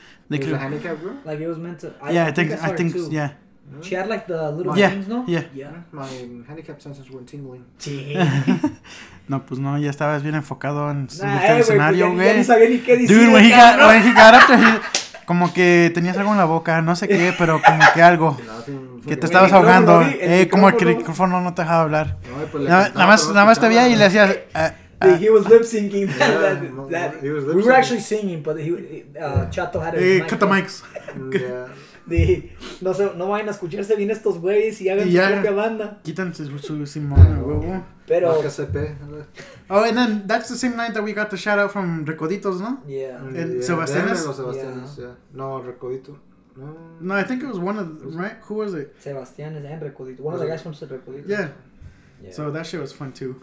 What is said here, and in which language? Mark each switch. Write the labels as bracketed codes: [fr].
[en] It was a handicapped girl. Like it was meant to. I think yeah. She had like the little things, no? Yeah. Yeah. My handicap senses were tingling. [es] No, pues no, ya estabas bien enfocado en el escenario, güey. [en] Dude, when he got up there, [es] como que tenías algo en la boca, no sé qué, pero como que algo. Que te estabas ahogando. Como el micrófono no te dejaba hablar. Nada más te veía y le hacías. [en] He was lip syncing. We were actually singing, but Chato had a. Hey, cut the mics. Yeah. [es] No vayan a escucharse bien estos güeyes y hagan su propia banda. Quítense su Simón, huevo. Pero. [en] Oh, and then that's the same night that we got the shout out from Recoditos, no? Yeah. And Sebastianes. Yeah. No, Recodito. No, I think it was one of the, right? Who was it? Sebastianes and Recodito. One of the guys from Recodito. Yeah. So that shit was fun too.